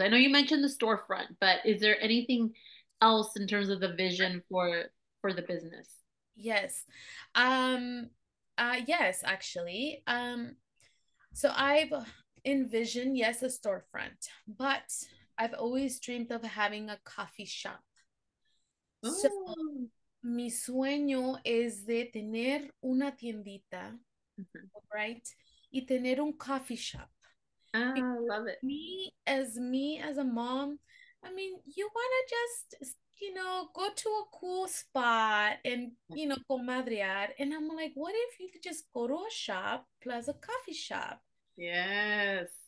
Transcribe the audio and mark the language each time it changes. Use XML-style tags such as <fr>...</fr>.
<en>I know you mentioned the storefront, but is there anything else in terms of the vision for the business? Yes. Yes, actually. So I've envisioned, yes, a storefront, but I've always dreamed of having a coffee shop. So Oh.</en> <es>mi sueño es de tener una tiendita, right? Y tener un coffee shop.</es> <en>Ah, love it. Me as a mom, I mean, you want to just, go to a cool spot and comadrear, and I'm like, what if you could just go to a shop plus a coffee shop? Yes.</en>